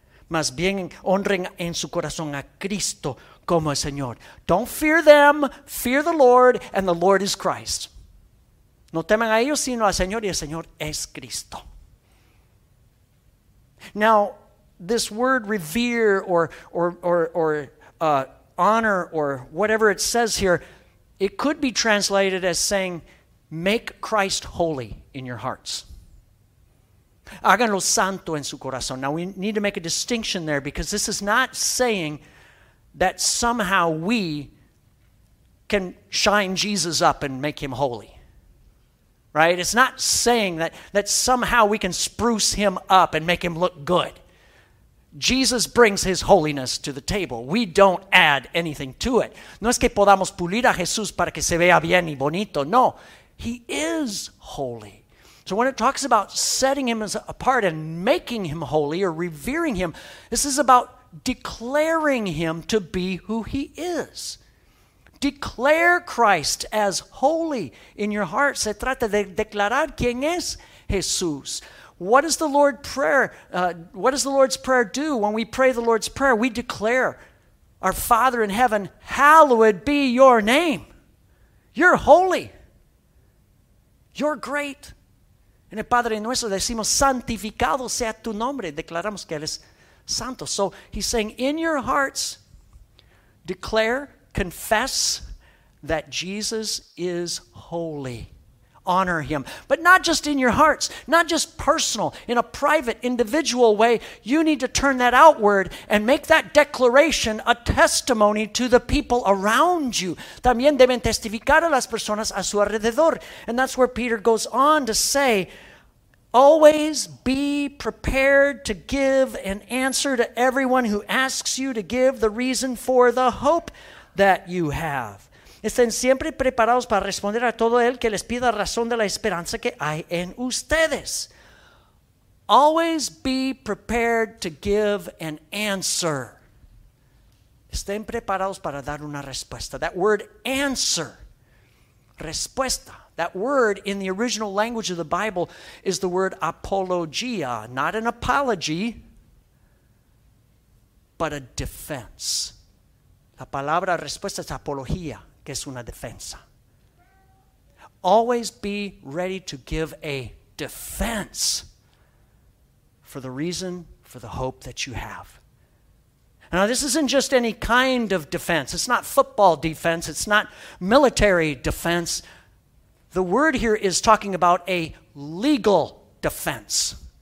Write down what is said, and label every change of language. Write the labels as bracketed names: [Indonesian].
[Spanish] Más bien honren en su corazón a Cristo como el Señor. [English] Don't fear them, fear the Lord, and the Lord is Christ. [Spanish] No teman a ellos, sino al Señor, y el Señor es Cristo. [English] Now, this word revere or honor or whatever it says here, it could be translated as saying, make Christ holy in your hearts. [Spanish] Háganlo santo en su corazón. [English] Now, we need to make a distinction there because this is not saying that somehow we can shine Jesus up and make him holy. Right? It's not saying that somehow we can spruce him up and make him look good. Jesus brings his holiness to the table. We don't add anything to it. [Spanish] No es que podamos pulir a Jesús para que se vea bien y bonito. [English] No, he is holy. So when it talks about setting him apart and making him holy or revering him, this is about declaring him to be who he is. Declare Christ as holy in your heart. [Spanish] Se trata de declarar quién es Jesús. [English] What does the Lord's Prayer? What does the Lord's Prayer do? When we pray the Lord's Prayer, we declare, "Our Father in heaven, hallowed be your name. You're holy. You're great." [Spanish] En el Padre nuestro decimos, "Santificado sea tu nombre." Declaramos que él es santo. [English] So he's saying, in your hearts, declare. Confess that Jesus is holy. Honor him. But not just in your hearts, not just personal, in a private, individual way. You need to turn that outward and make that declaration a testimony to the people around you. [Spanish] También deben testificar a las personas a su alrededor. [English] And that's where Peter goes on to say, always be prepared to give an answer to everyone who asks you to give the reason for the hope that you have. [Spanish] Estén siempre preparados para responder a todo el que les pida razón de la esperanza que hay en ustedes. [English] Always be prepared to give an answer. [Spanish] Estén preparados para dar una respuesta. [English] That word answer, [Spanish] respuesta. [English] That word in the original language of the Bible is the word apologia, not an apology, but a defense. [Spanish] La palabra respuesta es apología, que es una defensa. [English] Always be ready to give a defense for the reason, for the hope that you have. Now, this isn't just any kind of defense. It's not football defense. It's not military defense. The word here is talking about a legal defense.